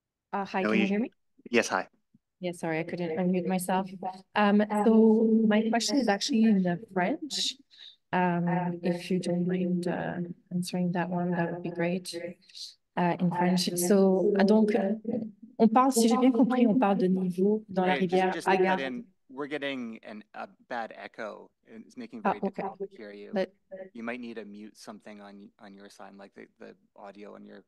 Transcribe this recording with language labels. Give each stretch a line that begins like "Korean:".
English: Hi, can you hear me? Yes, hi. Yeah, sorry, I couldn't unmute myself. So my question is actually in the French. If you don't mind answering that one, that would be great. In French.
French: So, donc, on parle, si j'ai bien compris, on parle de niveau dans la rivière Agar.
English: We're getting a bad echo. It's making it very difficult to hear you. But, you might need to mute something on your side, like the audio on your